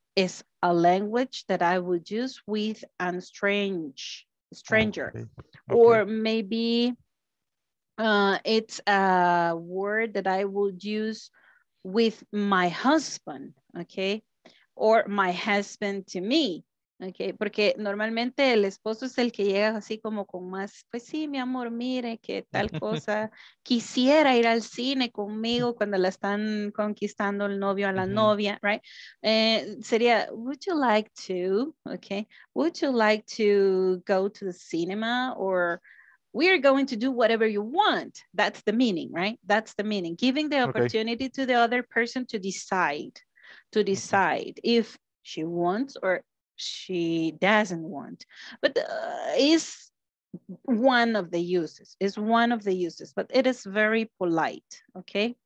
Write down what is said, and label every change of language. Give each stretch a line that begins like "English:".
English: It's a language that I would use with a stranger. Okay. Or maybe it's a word that I would use with my husband, okay? Or my husband to me.
Spanish: Okay, porque normalmente el esposo es el que llega así como con más, pues sí, mi amor, mire que tal cosa, quisiera ir al cine conmigo cuando la están conquistando el novio a la novia,
English: right? Sería, would you like to, okay, would you like to go to the cinema, or we are going to do whatever you want. That's the meaning, right? That's the meaning, giving the opportunity to the other person to decide if she wants or she doesn't want, but is one of the uses, is one of the uses, but it is very polite, okay?